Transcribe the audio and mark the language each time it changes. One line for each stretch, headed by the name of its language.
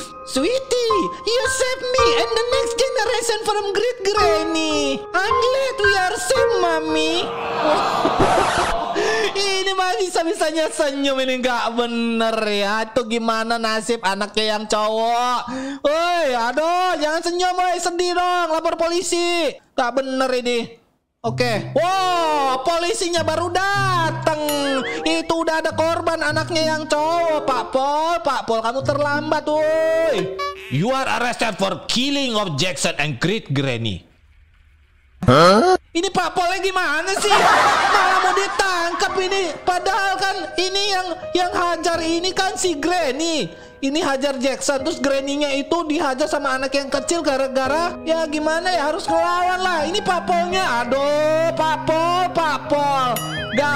English: "Sweetie, you save me and the next generation from great granny. I'm glad we are safe, mommy."
Indonesian: Ini mah bisa-bisanya senyum, ini gak bener ya. Itu gimana nasib anaknya yang cowok. Woi, aduh, jangan senyum, woi, sedih dong, lapor polisi. Gak bener ini. Oke, wow, polisinya baru datang. Itu udah ada korban anaknya yang cowok. Pak Pol, kamu terlambat, woi.
English: "You are arrested for killing of Jackson and great granny."
Indonesian: Ini Pak Polnya gimana sih? Malah mau ditangkap ini. Padahal kan ini yang hajar ini kan si Granny. Ini hajar Jackson, terus Granny-nya itu dihajar sama anak yang kecil gara-gara ya gimana ya, harus ngelawan lah. Ini Pak Polnya, aduh, Pak Pol, gak